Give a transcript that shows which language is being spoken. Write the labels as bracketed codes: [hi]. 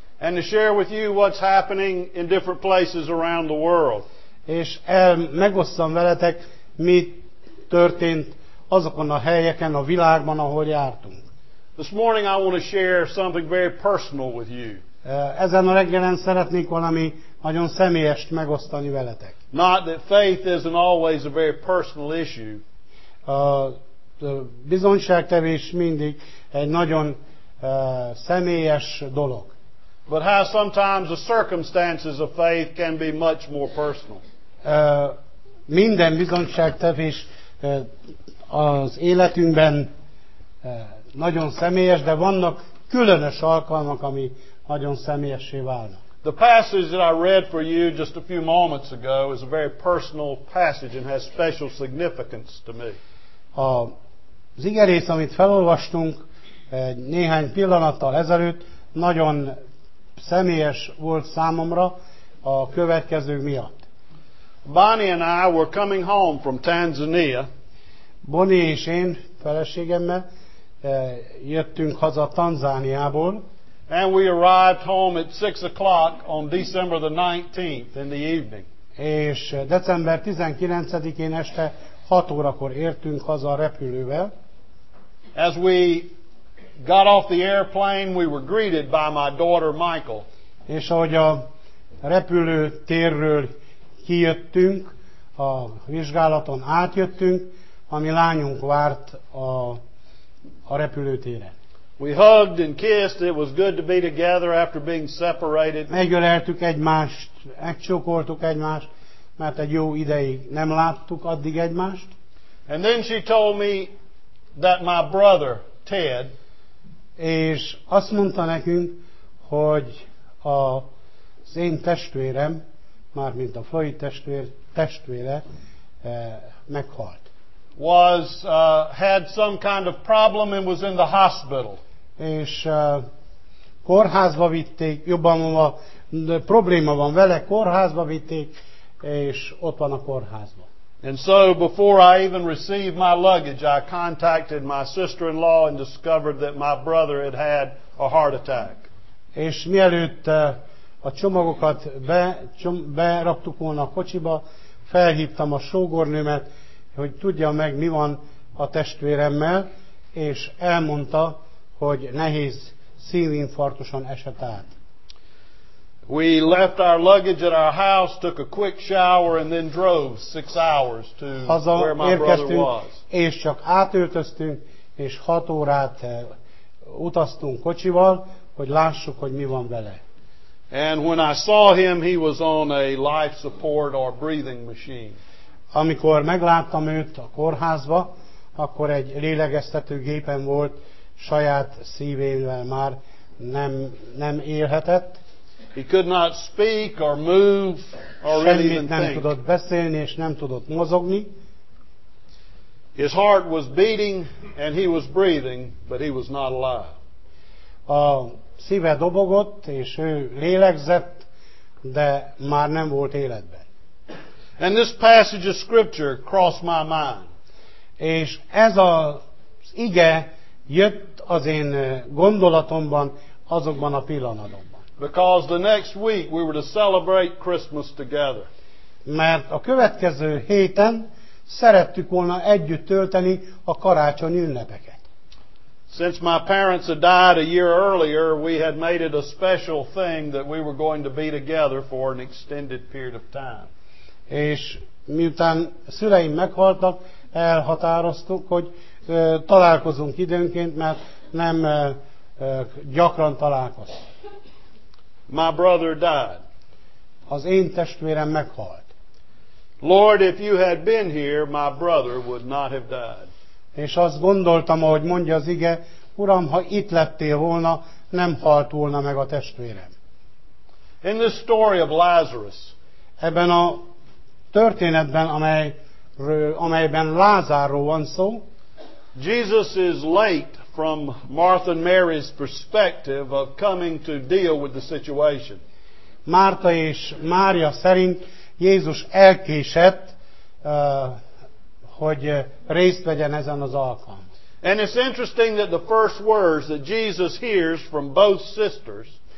[en] And to share with you what's happening in different places around the world. [hu] És megosztom veletek, mi történt azokon a helyeken a világban, ahol jártunk. [en] This morning I want to share something very personal with you. [hu] Ezen a reggelen szeretnék valami nagyon személyest megosztani veletek. [en] Not that faith isn't always a very personal issue. [hu] A bizonyságtevés mindig egy nagyon személyes dolog. [en] But how sometimes the circumstances of faith can be much more personal. [hu] Minden bizonyságtevés az életünkben nagyon személyes, de vannak különös alkalmak, ami nagyon személyessé válnak. [en] The passage that I read for you just a few moments ago is a very personal passage and has special significance to me. [hu] Az igerész, amit felolvastunk néhány pillanattal ezelőtt, nagyon személyes volt számomra a következő miatt. [en] Bonnie and I were coming home from Tanzania. [hu] Bonnie és én feleségemmel jöttünk haza Tanzániából. [en] And we arrived home at 6 o'clock on December the 19th in the evening. [hu] És december 19-én este 6 órakor értünk haza a repülővel. [en] As we got off the airplane, we were greeted by my daughter Michael. [hu] És ahogy a repülőtérről kijöttünk, a vizsgálaton átjöttünk, ami lányunk várt a repülőtéren. [en] We hugged and kissed. It was good to be together after being separated. [hu] Megöleltük egymást, megcsókoltuk egymást, mert egy jó ideig nem láttuk addig egymást. [en] And then she told me that my brother Ted. [hu] És azt mondta nekünk, hogy az én testvérem, mármint a Floyd testvére meghalt. [en] Had some kind of problem and was in the hospital. [hu] És kórházba vitték, jobban mondva, probléma van vele, kórházba vitték, és ott van a kórházban. [en] And so before I even received my luggage, I contacted my sister-in-law and discovered that my brother had had a heart attack. [hu] És mielőtt a csomagokat beraktuk volna a kocsiba, felhívtam a sógornőmet, hogy tudja meg, mi van a testvéremmel, és elmondta, hogy nehéz szívinfarktuson esett át. [en] We left our luggage at our house, took a quick shower, and then drove 6 hours to [hu] haza [en] where my brother was. [hu] És csak átöltöztünk, és 6 órát utaztunk kocsival, hogy lássuk, hogy mi van vele. [en] And when I saw him, he was on a life support or breathing machine. [hu] Amikor megláttam őt a kórházba, akkor egy lélegeztető gépen volt, saját szívével már nem élhetett. [en] He could not speak or move or even think. [hu] Semmit nem tudott beszélni és nem tudott mozogni. [en] His heart was beating and he was breathing, but he was not alive. [hu] A szíve dobogott, és ő lélegzett, de már nem volt életben. [en] And this passage of scripture crossed my mind. [hu] És ez az ige jött az én gondolatomban azokban a pillanatokban. [en] Because the next week we were to celebrate Christmas together. [hu] Mert a következő héten szerettük volna együtt tölteni a karácsony ünnepeket. [en] Since my parents had died a year earlier, we had made it a special thing that we were going to be together for an extended period of time. [hu] És miután szüleim meghaltak, elhatároztuk, hogy találkozunk időnként, mert nem gyakran találkozunk. [en] My brother died. [hu] Az én testvérem meghalt. [en] Lord, if you had been here, my brother would not have died. [hu] És azt gondoltam, ahogy mondja az ige, Uram, ha itt lettél volna, nem halt volna meg a testvérem. [en] In this story of Lazarus, [hu] ebben a történetben, amelyben Lázárról van szó, [en] Jesus is late from Martha and Mary's perspective of coming to deal with the situation. [hu] Márta és Mária szerint Jézus elkésett, hogy részt vegyen ezen az alkalmon. [en] And it's interesting that the first words that Jesus hears from both sisters,